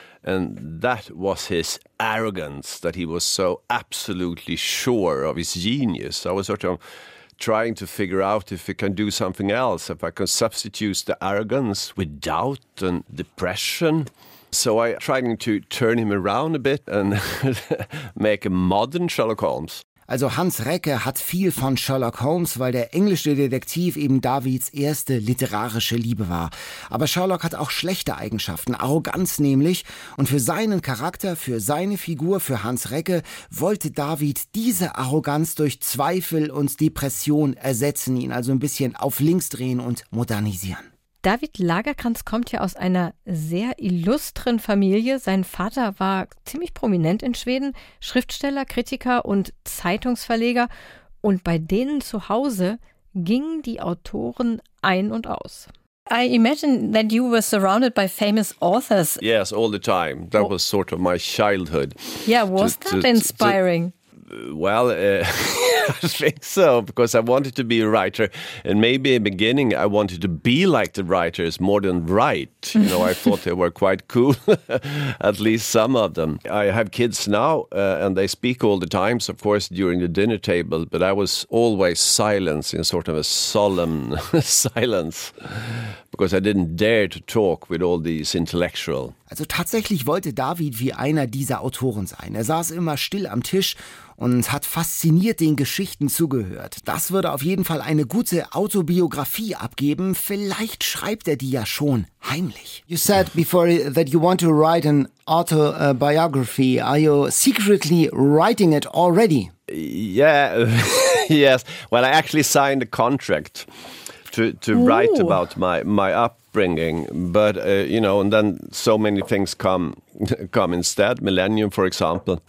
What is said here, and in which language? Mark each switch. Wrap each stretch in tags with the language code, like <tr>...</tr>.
<en>And that was his arrogance, that he was so absolutely sure of his genius. I was sort of trying to figure out if he can do something else, if I can substitute the arrogance with doubt and depression. So I tried to turn him around a bit and make a modern Sherlock Holmes.</en> <de>Also Hans Recke hat viel von Sherlock Holmes, weil der englische Detektiv eben Davids erste literarische Liebe war. Aber Sherlock hat auch schlechte Eigenschaften, Arroganz nämlich. Und für seinen Charakter, für seine Figur, für Hans Recke, wollte David diese Arroganz durch Zweifel und Depression ersetzen, ihn also ein bisschen auf links drehen und modernisieren. David Lagercrantz kommt ja aus einer sehr illustren Familie. Sein Vater war ziemlich prominent in Schweden, Schriftsteller, Kritiker und Zeitungsverleger. Und bei denen zu Hause gingen die Autoren ein und aus.</de> <en>I imagine that you were surrounded by famous authors. Yes, all the time. That was sort of my childhood. Yeah, was that inspiring? Well, I think so, because I wanted to be a writer. And maybe in the beginning, I wanted to be like the writers more than write. You know, I thought they were quite cool, at least some of them. I have kids now, and they speak all the time, so of course, during the dinner table. But I was always silent in sort of a solemn silence, because I didn't dare to talk with all these intellectuals.</en> <de>Also tatsächlich wollte David wie einer dieser Autoren sein. Er saß immer still am Tisch und hat fasziniert den Geschichten zugehört. Das würde auf jeden Fall eine gute Autobiografie abgeben. Vielleicht schreibt er die ja schon heimlich.</de> <en>You said before that you want to write an autobiography. Are you secretly writing it already? Yeah, yes. Well, I actually signed a contract to write about my upbringing, but you know, and then so many things come instead, Millennium, for example.</en>